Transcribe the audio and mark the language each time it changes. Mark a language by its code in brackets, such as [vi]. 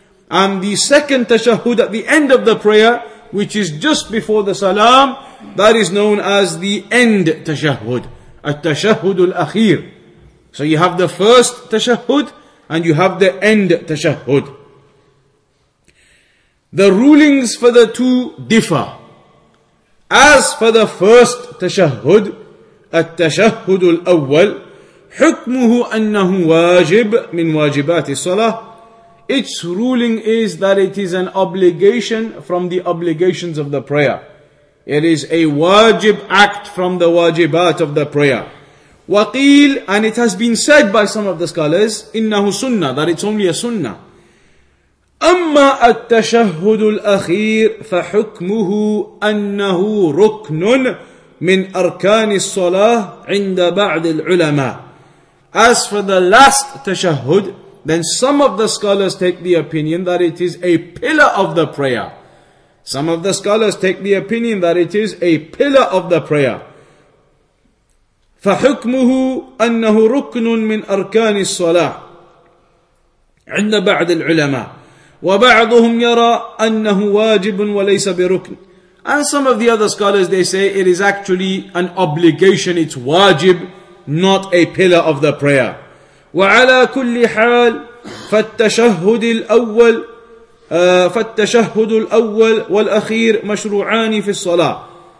[en] And the second tashahhud at the end of the prayer, which is just before the salam, that is known as the end tashahhud. At-tashahhud al-akhir. So you have the first tashahhud, and you have the end tashahhud. The rulings for the two differ. As for the first tashahhud, [ar] التشهد الأول, حكمه أنه واجب من واجبات الصلاة. [en] Its ruling is that it is an obligation from the obligations of the prayer. It is a wajib act from the wajibat of the prayer. [ar] وقيل, [en] and it has been said by some of the scholars, [ar] إنه سنة, [en] that it's only a sunnah. [ar] أما التشهد الأخير فحكمه أنه ركن من أركان الصلاة عند بعض العلماء. [en] As for the last تشهد, then some of the scholars take the opinion that it is a pillar of the prayer. Some of the scholars take the opinion that it is a pillar of the prayer. [ar] فحكمه أنه ركن من أركان الصلاة عند بعض العلماء. وَبَعْضُهُمْ يَرَى أَنَّهُ وَاجِبٌ وَلَيْسَ بِرُكْنٍ. [en] And some of the other scholars, they say it is actually an obligation, it's wajib, not a pillar of the prayer. [ar] وَعَلَى كُلِّ حَالٍ فَالتَّشَهُّدِ الْأَوَّلِ فَالتَّشَهُّدُ الْأَوَّلِ وَالْأَخِيرِ مَشْرُوعَانِ فِي الصَّلَاةِ.